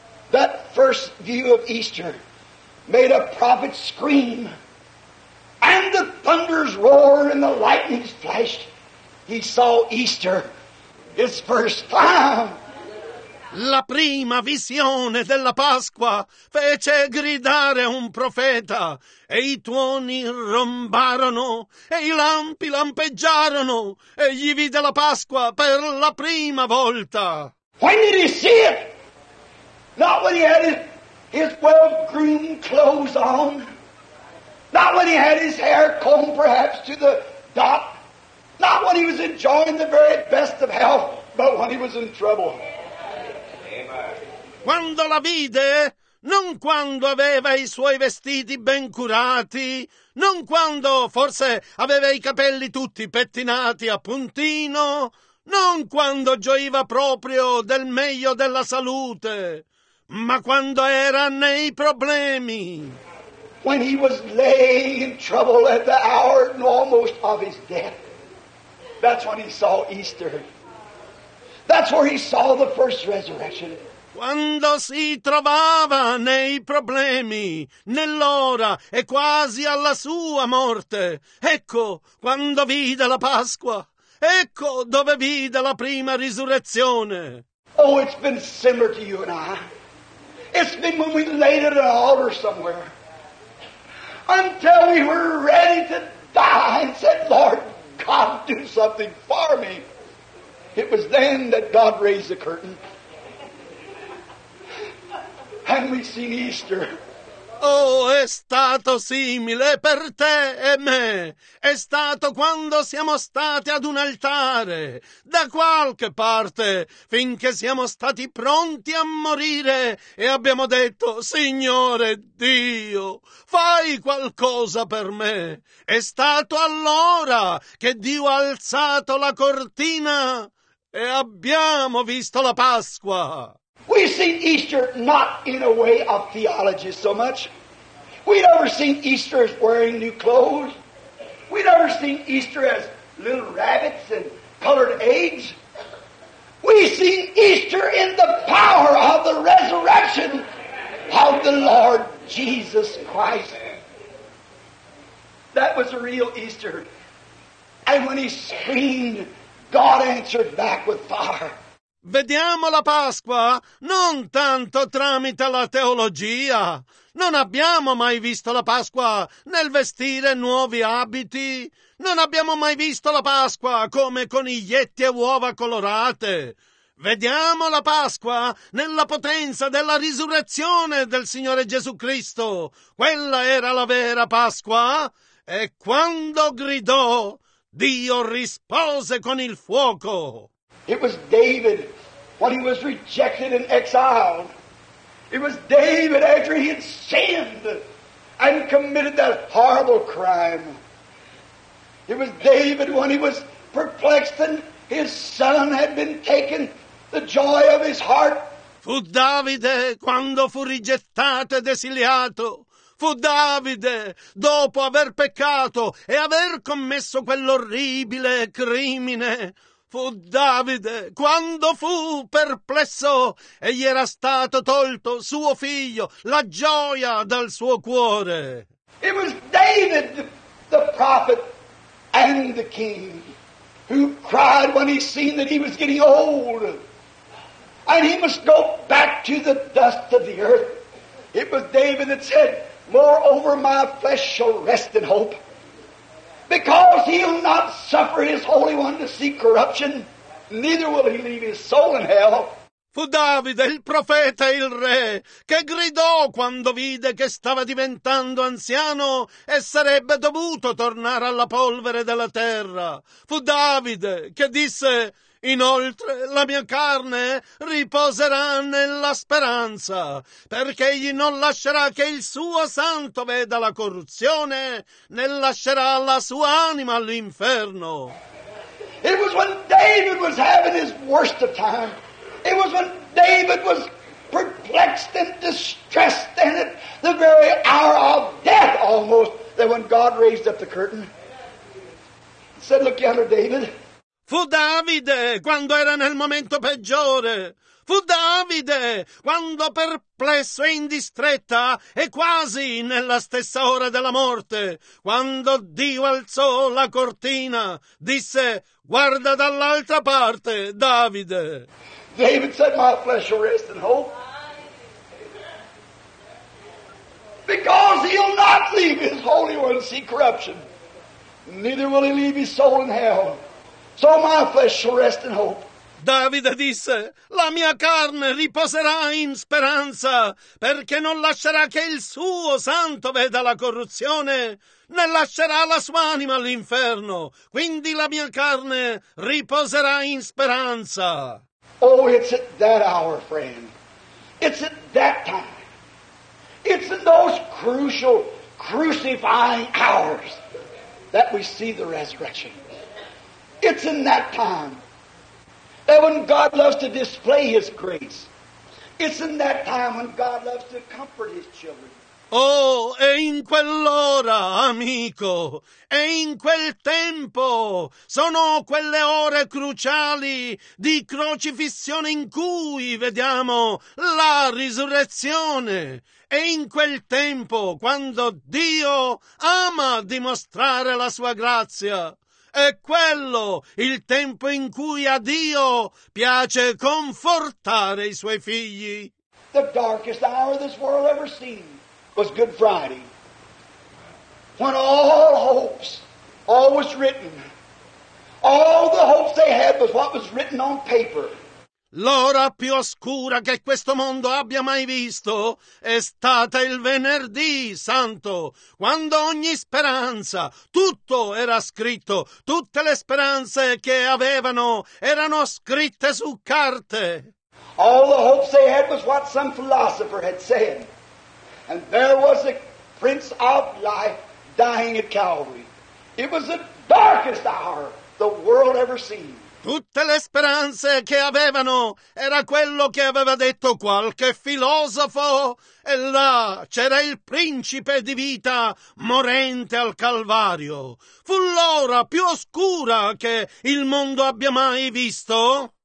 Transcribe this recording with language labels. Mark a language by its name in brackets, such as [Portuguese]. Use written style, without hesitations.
[English] That first view of Easter made a prophet scream, and the thunders roar and the lightnings flashed. He saw Easter, his first time. [Italian] La prima visione della Pasqua fece gridare un profeta, e i tuoni rombarono, e i lampi lampeggiarono, e gli vide la Pasqua per la prima volta. [English] When did he see it? Not when he had his well-groomed clothes on. Not when he had his hair combed perhaps to the dot. Not when he was enjoying the very best of health, but when he was in trouble. [Italian] Quando la vide, non quando aveva i suoi vestiti ben curati, non quando forse aveva i capelli tutti pettinati a puntino, non quando gioiva proprio del meglio della salute, ma quando era nei problemi. [English] When he was laying in trouble at the hour almost of his death. That's when he saw Easter. That's where he saw the first resurrection. [Italian] Quando si trovava nei problemi, nell'ora e quasi alla sua morte, ecco quando vide la Pasqua, ecco dove vide la prima risurrezione. [English] Oh, it's been similar to you and I. It's been when we laid it at an altar somewhere. Until we were ready to die and said, Lord, God, do something for me. It was then that God raised the curtain. And we seen Easter. [Italian] Oh, è stato simile per te e me. È stato quando siamo stati ad un altare, da qualche parte, finché siamo stati pronti a morire e abbiamo detto: Signore Dio, fai qualcosa per me. È stato allora che Dio ha alzato la cortina e abbiamo visto la Pasqua. [English] We see Easter not in a way of theology so much. We never seen Easter as wearing new clothes. We never seen Easter as little rabbits and colored eggs. We see Easter in the power of the resurrection of the Lord Jesus Christ. That was a real Easter. And when he screamed, God answered back with fire. [Italian] Vediamo la Pasqua non tanto tramite la teologia. Non abbiamo mai visto la Pasqua nel vestire nuovi abiti. Non abbiamo mai visto la Pasqua come coniglietti e uova colorate. Vediamo la Pasqua nella potenza della risurrezione del Signore Gesù Cristo. Quella era la vera Pasqua. E quando gridò, Dio rispose con il fuoco. [English] It was David when he was rejected and exiled. It was David after he had sinned and committed that horrible crime. It was David when he was perplexed and his son had been taken, the joy of his heart. [Italian] Fu Davide quando fu rigettato ed esiliato. Fu Davide, dopo aver peccato e aver commesso quell'orribile crimine. Fu Davide quando fu perplesso e gli era stato tolto suo figlio, la gioia dal suo cuore. [English] It was David, the prophet and the king, who cried when he seen that he was getting old and he must go back to the dust of the earth. It was David that said, Moreover, my flesh shall rest in hope. Because he'll not suffer his Holy One to see corruption, neither will he leave his soul in hell. [Italian] Fu Davide, il profeta e il re, che gridò quando vide che stava diventando anziano e sarebbe dovuto tornare alla polvere della terra. Fu Davide che disse, Inoltre la mia carne riposerà nella speranza, perché egli non lascerà che il suo santo veda la corruzione, né lascerà la sua anima all'inferno. [English] It was when David was having his worst of time. It was when David was perplexed and distressed and at the very hour of death almost, that when God raised up the curtain and said, Look yonder, David. [Italian] Fu Davide quando era nel momento peggiore. Fu Davide quando perplesso e in distretta e quasi nella stessa ora della morte, quando Dio alzò la cortina, disse, guarda dall'altra parte, Davide. [English] David said, my flesh will rest in hope. Because he'll not leave his Holy One see corruption. Neither will he leave his soul in hell. So my flesh shall rest in hope. [Italian] Davide disse, la mia carne riposerà in speranza, perché non lascerà che il suo santo veda la corruzione, né lascerà la sua anima all'inferno. Quindi la mia carne riposerà in speranza. [English] Oh, it's at that hour, friend. It's at that time. It's in those crucial, crucifying hours that we see the resurrection. It's in that time that when God loves to display His grace, it's in that time when God loves to comfort His children. [Italian] Oh, è in quell'ora, amico, è in quel tempo, sono quelle ore cruciali di crocifissione in cui vediamo la risurrezione. È in quel tempo quando Dio ama dimostrare la sua grazia. È quello il tempo in cui a Dio piace confortare i suoi figli. [English] The darkest hour this world ever seen was Good Friday, when all hopes, all was written, all the hopes they had was what was written on paper. [Italian] L'ora più oscura che questo mondo abbia mai visto è stata il venerdì santo, quando ogni speranza, tutto era scritto, tutte le speranze che avevano erano scritte su carte. [English] All the hopes they had was what some philosopher had said, and there was a prince of life dying at Calvary. It was the darkest hour the world ever seen. [Italian] Tutte le speranze che avevano era quello che aveva detto qualche filosofo, e là c'era il principe di vita morente al Calvario. Fu l'ora più oscura che il mondo abbia mai visto.